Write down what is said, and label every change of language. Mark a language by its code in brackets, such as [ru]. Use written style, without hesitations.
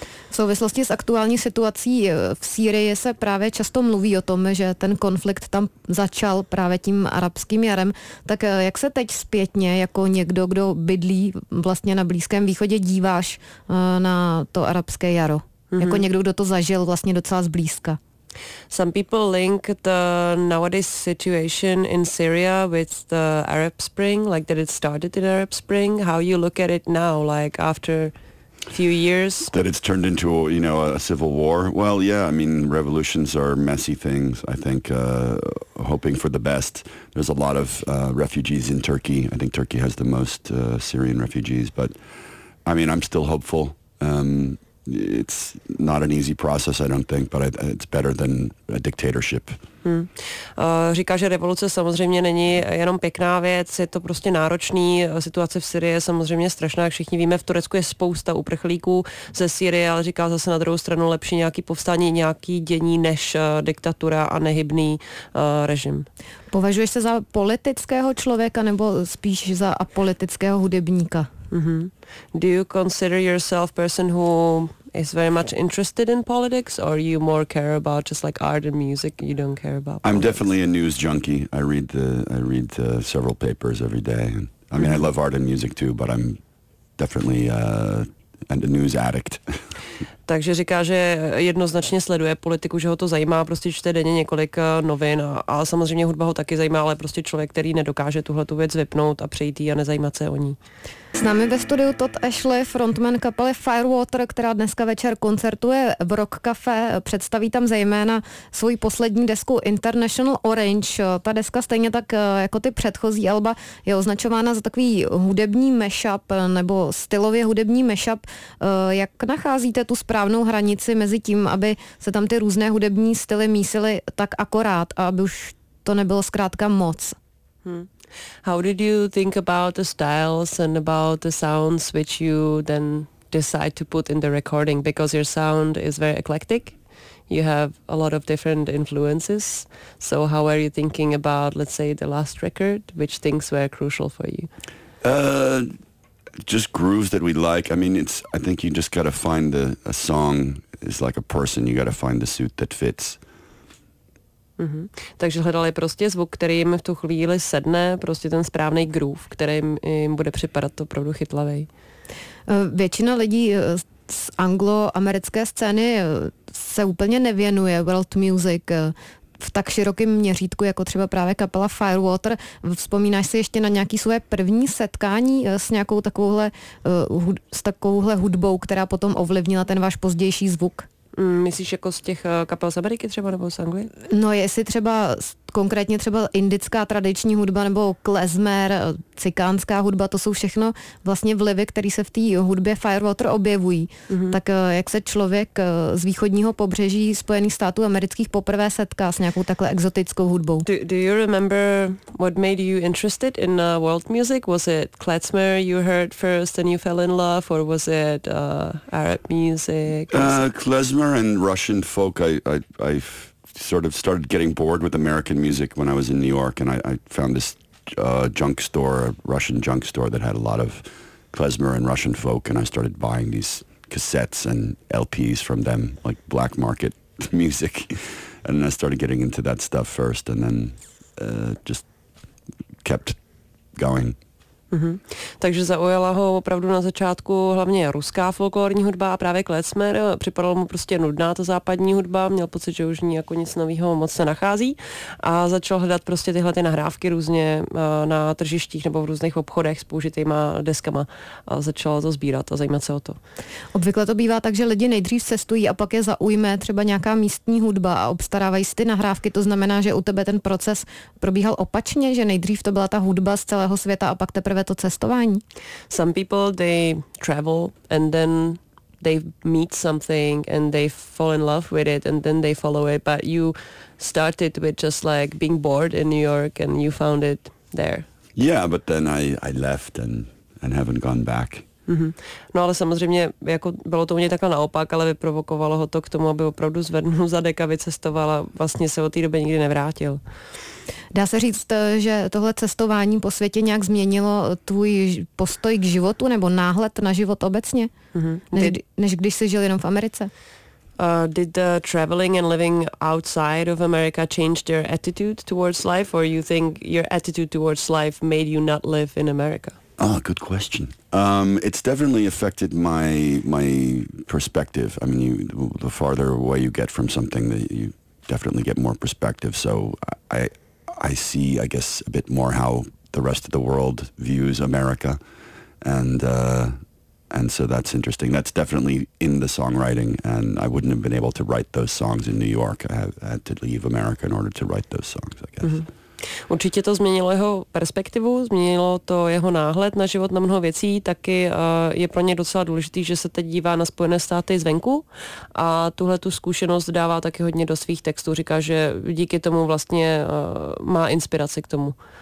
[cs] V souvislosti s aktuální situací v Sýrii se právě často mluví o tom, že ten konflikt tam začal právě tím arabským jarem. Tak jak se teď zpětně, jako někdo, kdo bydlí vlastně na Blízkém východě, díváš na to arabské jaro? Mm-hmm. Jako někdo, kdo to zažil vlastně docela zblízka? [en] Some people link the nowadays situation in Syria with the Arab Spring, like that it started in Arab Spring. How you look at it now, like after few years, that it's turned into a, you know, a civil war. Well, yeah, I mean, revolutions are messy things. I think hoping for the best. There's a lot of refugees in Turkey. I think Turkey has the most Syrian refugees, but I mean, I'm still hopeful. It's not an easy process, I don't think, but it's better than a dictatorship. Hmm. [cs] Říká, že revoluce samozřejmě není jenom pěkná věc, je to prostě náročný, situace v Syrii je samozřejmě strašná, jak všichni víme, v Turecku je spousta uprchlíků ze Syrie, ale říká zase na druhou stranu lepší nějaký povstání, nějaký dění než diktatura a nehybný režim. Považuješ se za politického člověka nebo spíš za apolitického hudebníka? Mm-hmm. [en] Do you consider yourself a person who is very much interested in politics, or you more care about just like art and music, you don't care about politics? I'm definitely a news junkie. I read several papers every day. I mean, mm-hmm. I love art and music too, but I'm definitely a news addict. [cs] Takže říká, že jednoznačně sleduje politiku, že ho to zajímá, prostě čte denně několik novin a samozřejmě hudba ho taky zajímá, ale prostě člověk, který nedokáže tuhle tu věc vypnout a přejít jí a nezajímat se o ní. S námi ve studiu Todd Ashley, frontman kapely Firewater, která dneska večer koncertuje v Rock Café, představí tam zejména svůj poslední desku International Orange. Ta deska stejně tak jako ty předchozí alba je označována za takový hudební mashup nebo stylově hudební mashup. Jak nacházíte tu správnou hranici mezi tím, aby se tam ty různé hudební styly mísily tak akorát a aby už to nebylo zkrátka moc? Hmm. [en] How did you think about the styles and about the sounds which you then decide to put in the recording? Because your sound is very eclectic. You have a lot of different influences. So how are you thinking about, let's say, the last record? Which things were crucial for you? Just grooves that we like. I mean, it's. I think you just got to find a song is like a person. You got to find the suit that fits. Mm-hmm. [cs] Takže hledali prostě zvuk, který jim v tu chvíli sedne, prostě ten správný groove, který jim bude připadat opravdu chytlavý. Většina lidí z angloamerické scény se úplně nevěnuje world music. v tak širokém měřítku, jako třeba právě kapela Firewater. Vzpomínáš si ještě na nějaké své první setkání s nějakou takovouhle, s takovouhle hudbou, která potom ovlivnila ten váš pozdější zvuk? Myslíš jako z těch kapel z Ameriky třeba nebo z Anglie? No jestli třeba konkrétně třeba indická tradiční hudba nebo klezmer, cikánská hudba, to jsou všechno vlastně vlivy, které se v té hudbě Firewater objevují. Mm-hmm. Tak jak se člověk z východního pobřeží Spojených států amerických poprvé setká s nějakou takhle exotickou hudbou? [en] Do you remember what made you interested in world music? Was it klezmer you heard first and you fell in love, or was it Arab music? Klezmer and Russian folk, I've sort of started getting bored with American music when I was in New York, and I found this junk store, a Russian junk store that had a lot of klezmer and Russian folk, and I started buying these cassettes and LPs from them, like black market music, and I started getting into that stuff first, and then just kept going. Mm-hmm. [cs] Takže zaujala ho opravdu na začátku hlavně ruská folklorní hudba a právě klezmer. Připadalo mu prostě nudná ta západní hudba, měl pocit, že už ní jako nic nového moc se nachází, a začal hledat prostě tyhle ty nahrávky různě na tržištích nebo v různých obchodech s použitýma deskama a začal to sbírat a zajímat se o to. Obvykle to bývá tak, že lidi nejdřív cestují a pak je zaujme třeba nějaká místní hudba a obstarávají si ty nahrávky. To znamená, že u tebe ten proces probíhal opačně, že nejdřív to byla ta hudba z celého světa a pak teprve to cestování. [en] Some people, they travel and then they meet something and they fall in love with it and then they follow it, but you started with just like being bored in New York and you found it there. Yeah, but then I left and haven't gone back. Mm-hmm. [cs] No ale samozřejmě, jako bylo to u něj takhle naopak, ale vyprovokovalo ho to k tomu, aby opravdu zvednul zadek a vycestoval a vlastně se od té doby nikdy nevrátil. Dá se říct, že tohle cestování po světě nějak změnilo tvůj postoj k životu nebo náhled na život obecně, mm-hmm. než když jsi žil jenom v Americe? [en] Did the traveling and living outside of America change your attitude towards life, or you think your attitude towards life made you not live in America? Oh, good question. It's definitely affected my perspective. I mean, the farther away you get from something, you definitely get more perspective. So I see, I guess, a bit more how the rest of the world views America, and so that's interesting. That's definitely in the songwriting, and I wouldn't have been able to write those songs in New York. I had to leave America in order to write those songs, I guess. Mm-hmm. [cs] Určitě to změnilo jeho perspektivu, změnilo to jeho náhled na život, na mnoho věcí, taky je pro ně docela důležitý, že se teď dívá na Spojené státy zvenku a tuhle tu zkušenost dává taky hodně do svých textů, říká, že díky tomu vlastně má inspiraci k tomu.